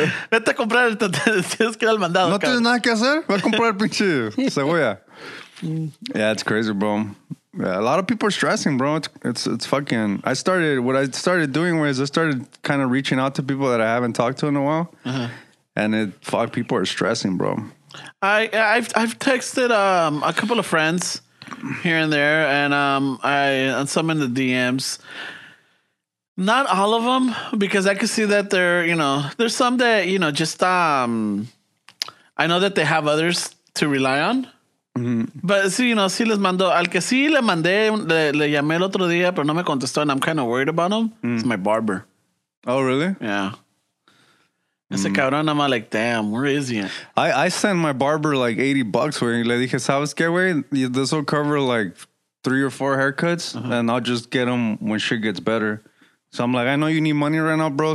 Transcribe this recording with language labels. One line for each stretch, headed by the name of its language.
Spanish: Vete a comprar, tienes que ir al mandado. No tienes nada que hacer, va a comprar pinche cebolla.
English: Yeah, it's crazy, bro. Yeah, a lot of people are stressing, bro. It's fucking... I started kind of reaching out to people that I haven't talked to in a while. Uh-huh. And it... Fuck, people are stressing, bro. I've texted a couple of friends here and there. And some in the DMs. Not all of them. Because I could see that they're, you know... There's some that, you know, just... I know that they have others to rely on. Mm-hmm. But sí, you know,
Spanish: sí les mandó. Al que sí le mandé, le llamé el otro día, pero no me contestó.
English: And I'm kind of worried about him. Mm. It's my barber. Oh, really? Yeah. Mm.
Spanish: Ese cabrón,
English: I'm like, damn, where is he? I sent my barber like $80 where
Spanish: le dije, ¿sabes qué, güey?
English: This will cover like 3 or 4 haircuts. Uh-huh. And I'll just get them when shit gets better. So I'm like, I know you need money right now, bro.